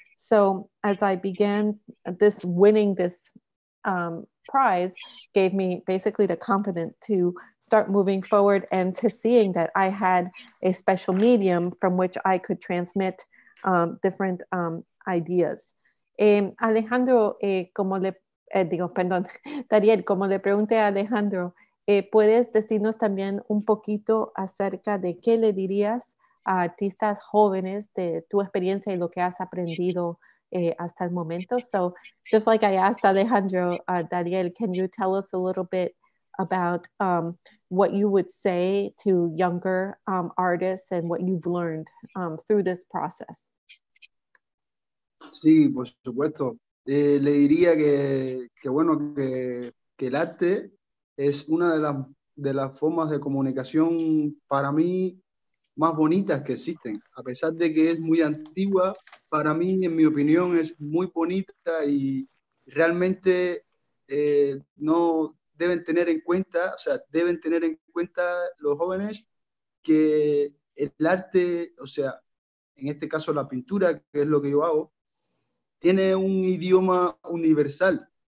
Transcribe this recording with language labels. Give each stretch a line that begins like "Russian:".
English: So as I began this, winning this prize gave me basically the confidence to start moving forward and to seeing that I had a special medium from which I could transmit different ideas.
Spanish: Alejandro, Dariel, como le pregunté a Alejandro, ¿puedes decirnos también un poquito acerca de qué le dirías a artistas jóvenes de tu experiencia y lo que has aprendido hasta el momento?
English: So just like I asked Alejandro, Dariel, can you tell us a little bit about what you would say to younger artists and what you've learned through this process?
Spanish: Sí, por supuesto. Le diría que el arte es una de las formas de comunicación para mí más bonitas que existen. A pesar de que es muy antigua, para mí, en mi opinión, es muy bonita y realmente no deben tener en cuenta, o sea, deben tener en cuenta los jóvenes que el arte, o sea, en este caso la pintura, que es lo que yo hago, tiene un idioma universal.